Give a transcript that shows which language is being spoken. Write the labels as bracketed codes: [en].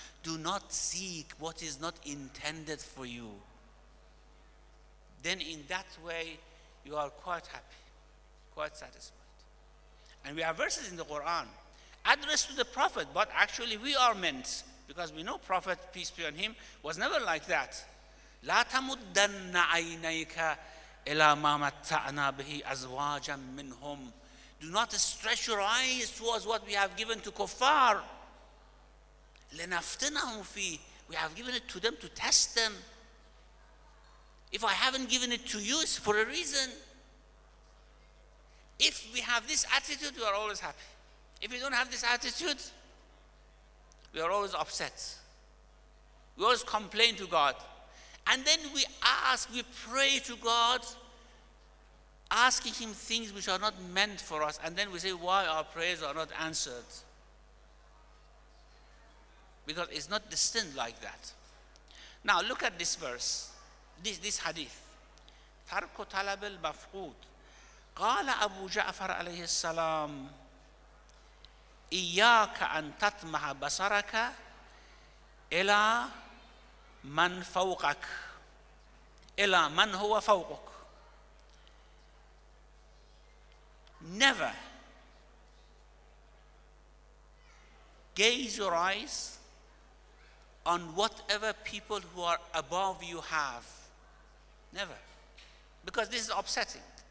[en] Do not seek what is not intended for you. Then in that way, you are quite happy, quite satisfied. And we have verses in the Quran addressed to the Prophet, but actually we are meant, because we know Prophet, peace be on him, was never like that. [ar] لا تمدن عينيك إلى ما متعنا به أزواجا منهم. [en] Do not stretch your eyes towards what we have given to kuffar. [ar] لنفتنهم فيه. [en] We have given it to them to test them. If I haven't given it to you, it's for a reason. If we have this attitude, we are always happy. If we don't have this attitude, we are always upset. We always complain to God. And then we ask, we pray to God, asking him things which are not meant for us. And then we say, why our prayers are not answered? Because it's not distinct like that. Now look at this verse, this hadith. [ar] Tarku talab al mafqud. قال أبو جعفر عليه السلام إياك أن تطمح بصرك إلى من فوقك إلى من هو فوقك. [en] Never gaze your eyes on whatever people who are above you have. Never. Because this is upsetting.